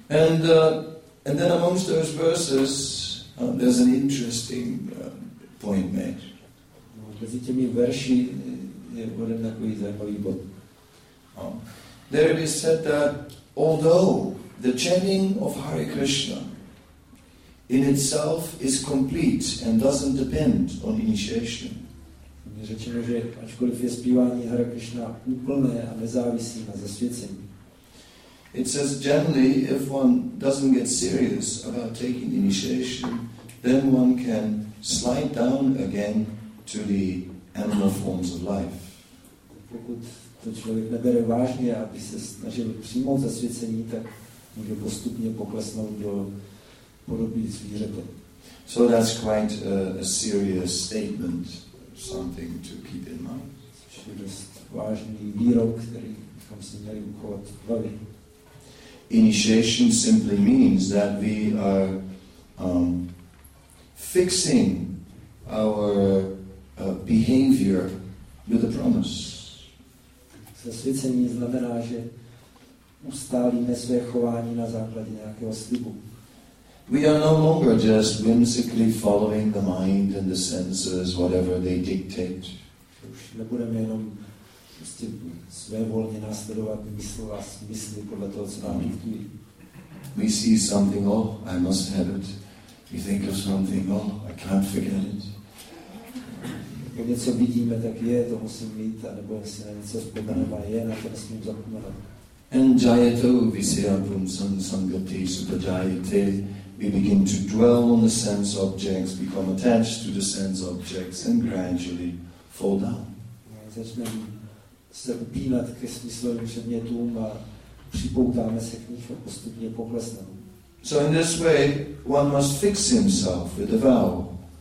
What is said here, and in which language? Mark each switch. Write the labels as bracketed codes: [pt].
[en] and then amongst those verses, there's an interesting point made. [cs] Mezi těmi verši je uveden takový zajímavý bod. [en] There it is said that although the chanting of Hare Krishna in itself is complete and doesn't depend on initiation. [cs] Je řečeno, že ačkoliv je zpívání Hare Krishna úplné a nezávislé na zasvěcení. [en] It says generally, if one doesn't get serious about taking initiation, then one can slide down again to the animal forms of life. [cs] Pokud to člověk nebere vážně, aby se snažil přijmout zasvěcení, tak může postupně poklesnout do podoby zvířete. [en] So that's quite a serious statement. Something to keep in mind. [cs] Just vážný výrok, který bychom si měli uchovat v hlavě. [en] Initiation simply means that we are fixing our behavior with a promise. [cs] Zasvěcení znamená, že ustálíme své chování na základě nějakého slibu. [en] We are no longer just whimsically following the mind and the senses, whatever they dictate. [cs] Už nebudeme jenom prostě svévolně následovat mysl a smysly podle toho, co nám diktují. [en] We see something, oh, I must have it. We think of something, oh, I can't forget it. [cs] Když něco vidíme, tak je, to musím mít, a nebo si na něco vzpomeneme, a je, na to nesmím zapomenout. [sa] And jayato visyapum sangati supajayate. [en] We begin to dwell on the sense objects, become attached to the sense objects, and gradually fall down. [cs] Začneme se upínat ke smyslovým předmětům a připoutáme se k nich a postupně poklesneme. [en] So in this way, one must fix himself with a vow.